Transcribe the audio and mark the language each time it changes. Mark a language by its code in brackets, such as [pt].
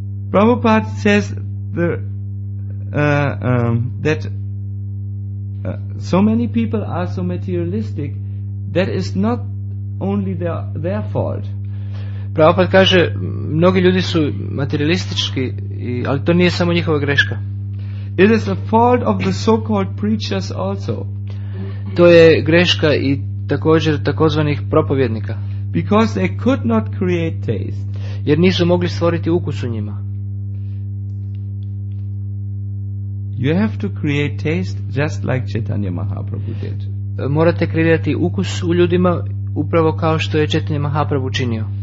[en] Prabhupada says that so many people are so materialistic, that is not only their fault. [hr] Prabhupada kaže, mnogi ljudi su materialistički, ali to nije samo njihova greška. [en] It is a fault of the so-called preachers also. [hr] To je greška i također takozvanih propovjednika. [en] Because they could not create taste. [hr] Jer nisu mogli stvoriti ukus u njima. [en] You have to create taste just like Chaitanya Mahaprabhu did. [hr] Morate kreirati ukus u ljudima upravo kao što je Chaitanya Mahaprabhu učinio.